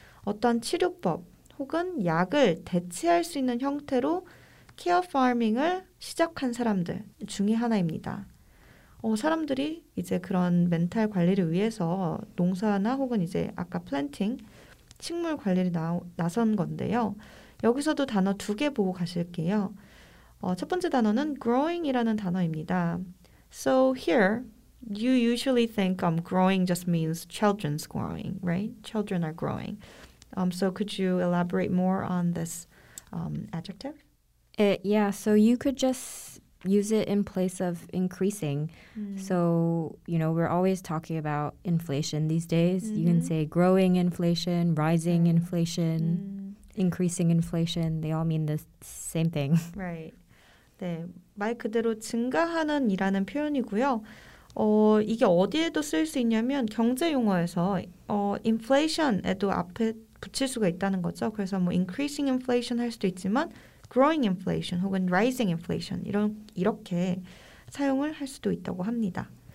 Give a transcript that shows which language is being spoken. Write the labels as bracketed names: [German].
[Korean] 어떤 치료법 혹은 약을 대체할 수 있는 형태로 케어 파밍을 시작한 사람들 중에 하나입니다. 사람들이 이제 그런 멘탈 관리를 위해서 농사나 혹은 이제 아까 플랜팅, 식물 관리를 나선 건데요. 여기서도 단어 두 개 보고 가실게요. 첫 번째 단어는 growing이라는 단어입니다. [English] So here, you usually think growing just means children's growing, right? Children are growing. So could you elaborate more on this adjective? So you could just use it in place of increasing. So, you know, we're always talking about inflation these days. Mm-hmm. You can say growing inflation, rising inflation, increasing inflation. They all mean the same thing. Right. [Korean] 네, 말 그대로 증가하는 이라는 표현이고요. 이게 어디에도 쓸 수 있냐면 경제 용어에서 inflation에도 앞에 붙일 수가 있다는 거죠. 그래서 뭐 increasing inflation 할 수도 있지만 growing inflation 혹은 rising inflation 이렇게 사용을 할 수도 있다고 합니다.